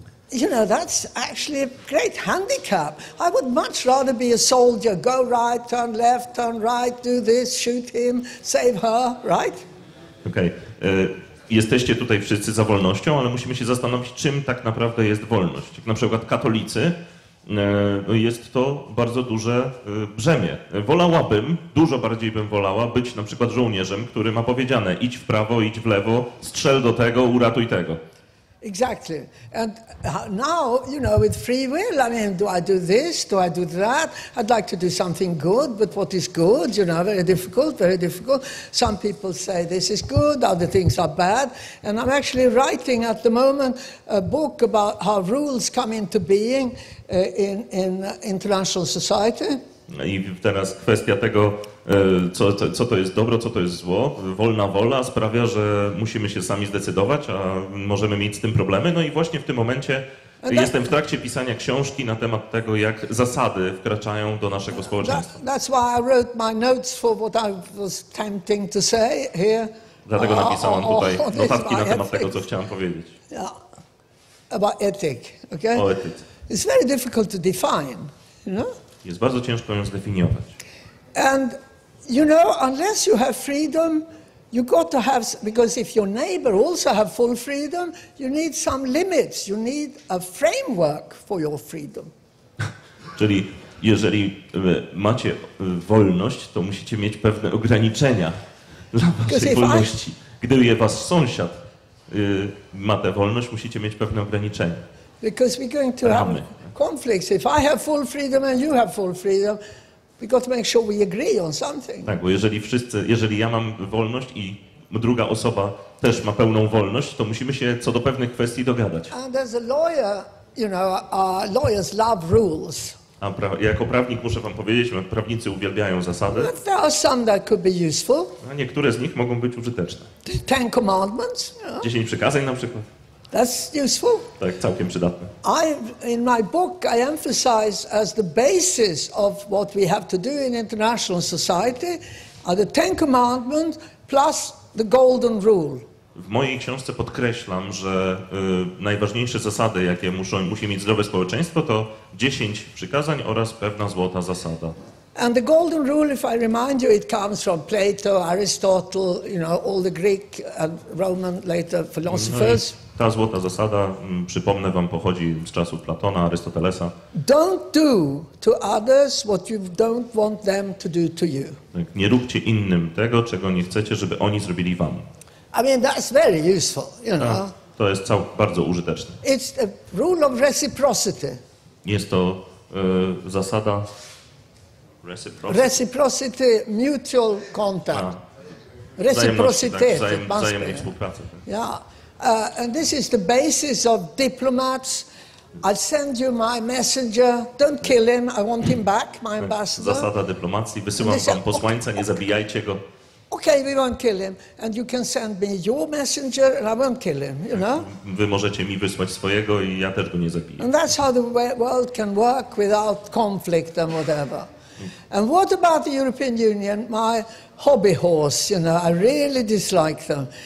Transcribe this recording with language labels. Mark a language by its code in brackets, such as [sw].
[en] You know, that's actually a great handicap. I would much rather be a soldier. Go right, turn left, turn right, do this, shoot him, save her, right? Okay. [pl] Jesteście tutaj wszyscy za wolnością, ale musimy się zastanowić, czym tak naprawdę jest wolność. Jak na przykład katolicy, jest to bardzo duże brzemię. Wolałabym, dużo bardziej bym wolała być na przykład żołnierzem, który ma powiedziane, idź w prawo, idź w lewo, strzel do tego, uratuj tego. [en] Exactly. And now, you know, with free will, I mean, do I do this, do I do that? I'd like to do something good, but what is good? You know, very difficult, very difficult. Some people say this is good, other things are bad. And I'm actually writing at the moment a book about how rules come into being in international society. [pl] I teraz kwestia tego, co to jest dobro, co to jest zło. Wolna wola sprawia, że musimy się sami zdecydować, a możemy mieć z tym problemy. No i właśnie w tym momencie jestem w trakcie pisania książki na temat tego, jak zasady wkraczają do naszego społeczeństwa. [en] That's why I wrote my notes for what I was attempting to say here. [pl] Dlatego napisałam tutaj notatki na temat tego, co chciałam powiedzieć. [en] Yeah. About ethic, okay? [pl] O etyce. [en] It's very difficult to define, you know? [pl] Jest bardzo ciężko ją zdefiniować. [en] And you know, unless you have freedom, you got to have, because if your neighbor also have full freedom, you need some limits. You need a framework for your freedom. [pl] Czyli jeżeli macie wolność, to musicie mieć pewne ograniczenia dla waszej wolności. Gdy was sąsiad ma tę wolność, musicie mieć pewne ograniczenia. [en] Because we're going to have conflicts. If I have full freedom and you have full freedom, we got to make sure we agree on something. [pl] Tak, bo jeżeli ja mam wolność i druga osoba też ma pełną wolność, to musimy się co do pewnych kwestii dogadać. [en] And as a lawyer, you know, lawyers love rules. [pl] A jako prawnik muszę wam powiedzieć, że prawnicy uwielbiają zasady. [en] But there are some that could be useful. [pl] A niektóre z nich mogą być użyteczne. [en] Ten commandments, you know? [pl] 10 przykazań na przykład. [en] That's useful. [pl] Tak, całkiem przydatne. [en] In my book I emphasize as the basis of what we have to do in international society are the Ten Commandments plus the Golden Rule. [pl] W mojej książce podkreślam, że najważniejsze zasady, jakie musi mieć zdrowe społeczeństwo, to 10 przykazań oraz pewna złota zasada. [en] And the Golden Rule, if I remind you, it comes from Plato, Aristotle, you know, all the Greek and Roman later philosophers. [pl] No ta złota zasada, przypomnę wam, pochodzi z czasów Platona, Arystotelesa. [en] Don't do to others what you don't want them to do to you. [pl] Tak, nie róbcie innym tego, czego nie chcecie, żeby oni zrobili wam. [en] I mean, that's very useful, you know. [pl] To jest bardzo użyteczne. [en] It's the rule of reciprocity. [pl] Jest to zasada [en] reciprocity, mutual contact. [pl] Reciprocity, wzajemnej współpracy. [en] Yeah. And this is the basis of diplomats. I'll send you my messenger. Don't kill him. I want him back, my ambassador. [pl] Zasada dyplomacji. Wysyłam wam posłańca, nie zabijajcie go. [en] Okay, we won't kill him. And you can send me your messenger and I won't kill him, you know? [pl] Wy możecie mi wysłać swojego i ja też go nie zabiję. [en] And that's how the world can work without conflict and whatever. And what about the European Union, my hobby horse, you know, I really dislike them.